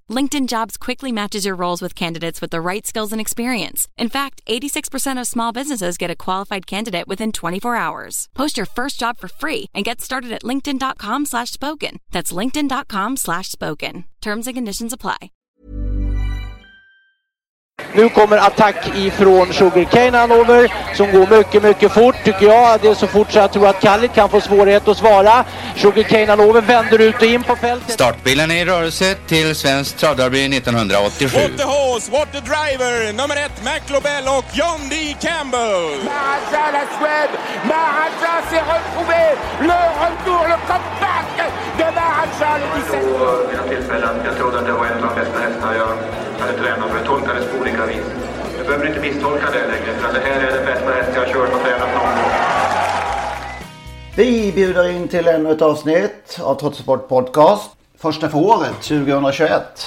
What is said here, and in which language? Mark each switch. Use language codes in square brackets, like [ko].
[en] LinkedIn Jobs quickly matches your roles with candidates with the right skills and experience. In fact, 86% of small businesses get a qualified candidate within 24 hours. Post your first job for free and get started at linkedin.com/spoken. That's linkedin.com/spoken. Terms and conditions apply. [sv] Nu kommer attack ifrån Sugar Cane Hanover som går mycket, mycket fort tycker jag. Det är så fort så jag tror att Khalid kan få svårighet att svara. Sugar Cane Hanover vänder ut och in på fältet. Startbilen är i rörelse till svensk travderby 1987. [en] What the horse, what the driver, [sv] nummer ett, [en] Mac Lobel och John D. Campbell. [fr] Maharaja la Suède, Maharaja s'est retrouvé, le retour, le comeback de Maharaja le 17. [sv] Jag trodde att det var en av bästa hästar jag... Jag hade tränat för att tolka det på olika vis. Jag behöver inte misstolka det längre, för att det här är det bästa häst jag har kört och tränat någon gång. Vi bjuder in till ännu ett avsnitt av Trottosport Podcast. Första för året, 2021.